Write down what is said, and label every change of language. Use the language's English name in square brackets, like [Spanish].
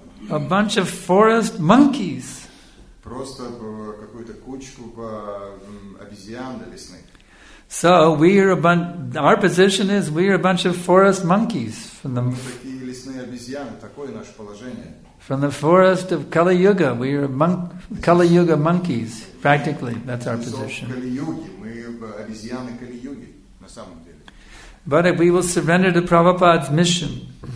[English] A bunch of forest monkeys. [Russian] Просто какую-то кучку обезьян лесных. [English] So we are a bunch. Our position is we are a bunch of forest monkeys from the. [Russian] Такие лесные обезьяны, такое наше положение. [English] From the forest of Kali Yuga, we are Kali Yuga monkeys. Practically, that's our position. [Russian] Kali Yuga, мы обезьяны Kali Yuga на самом деле. [English] But if we will surrender to Prabhupada's mission.